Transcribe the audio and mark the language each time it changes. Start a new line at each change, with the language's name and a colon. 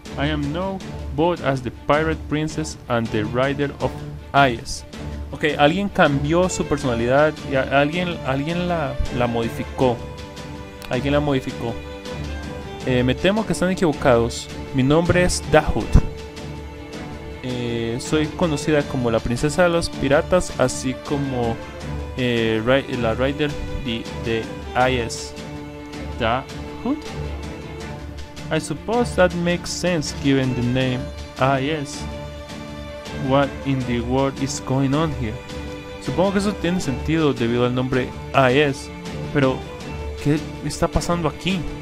English: I am known both as the Pirate Princess and the Rider of Ice.
Spanish: Okay, alguien cambió su personalidad y alguien la modificó. Alguien la modificó. Me temo que están equivocados. Mi nombre es Dahoud. Soy conocida como la Princesa de los Piratas, así como la Rider de Ice. Dahoud.
English: I suppose that makes sense given the name. Ah, yes. What in the world is going on here?
Spanish: Supongo que eso tiene sentido debido al nombre AES. Pero, ¿qué está pasando aquí?